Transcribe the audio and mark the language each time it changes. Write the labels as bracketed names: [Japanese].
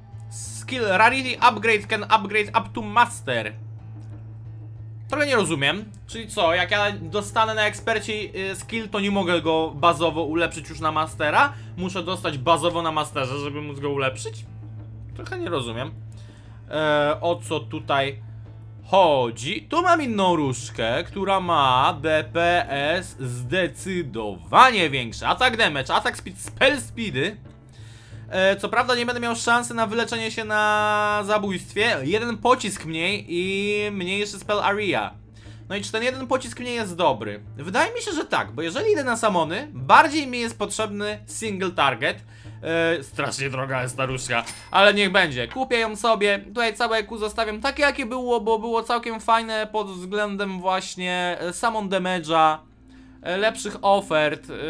[English] Skill rarity upgrade can upgrade up to master. [Polish] Trochę nie rozumiem. Czyli co, jak ja dostanę na ekspercie skill, to nie mogę go bazowo ulepszyć już na mastera? Muszę dostać bazowo na masterze, żeby móc go ulepszyć? Trochę nie rozumiem. O co tutaj chodzi? Tu mam inną różkę, która ma DPS zdecydowanie większe. [English] Attack damage, attack speed, spell speedy. [Polish] Co prawda nie będę miał szansy na wyleczenie się na zabójstwie. Jeden pocisk mniej i mniejszy spell area. No i czy ten jeden pocisk mniej jest dobry? Wydaje mi się, że tak, bo jeżeli idę na samony, bardziej mi jest potrzebny single target. Strasznie droga jest ta różka, ale niech będzie. Kupię ją sobie, tutaj całe EQ zostawiam takie jakie było, bo było całkiem fajne pod względem właśnie summon damage'a, lepszych ofert.